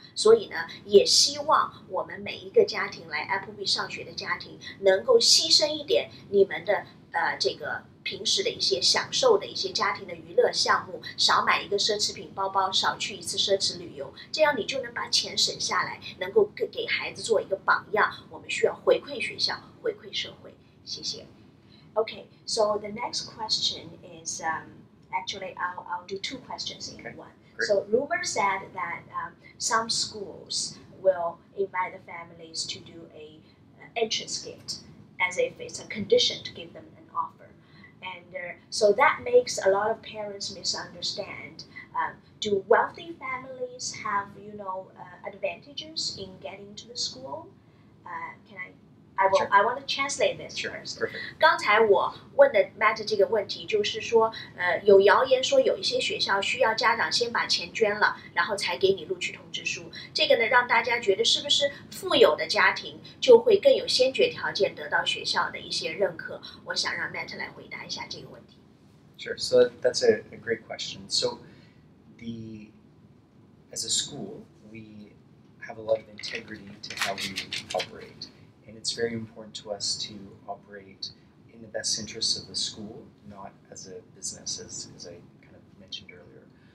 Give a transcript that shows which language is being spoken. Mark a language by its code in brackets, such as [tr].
[zh] 所以呢，也希望我们每一个家庭来 Appleby 上学的家庭能够牺牲一点你们的这个平时的一些享受的一些家庭的娱乐项目，少买一个奢侈品包包，少去一次奢侈旅游，这样你就能把钱省下来，能够给孩子做一个榜样。我们需要回馈学校，回馈社会。谢谢。 [en] Okay, so the next question is actually I'll do two questions in one. Okay, so rumor said that some schools will invite the families to do a entrance gift as if it's a condition to give them an offer. And so that makes a lot of parents misunderstand. Do wealthy families have, you know, advantages in getting to the school? Sure. I want to translate this sure. first. Perfect. [zh] 刚才我问的 Matt 这个问题就是说，有谣言说有一些学校需要家长先把钱捐了，然后才给你录取通知书。这个呢，让大家觉得是不是富有的家庭就会更有先决条件得到学校的一些认可？我想让 Matt 来回答一下这个问题。 [en] Sure. So that's a great question. So the as a school, we have a lot of integrity to how we operate. And it's very important to us to operate in the best interests of the school, not as a business, as I kind of mentioned earlier.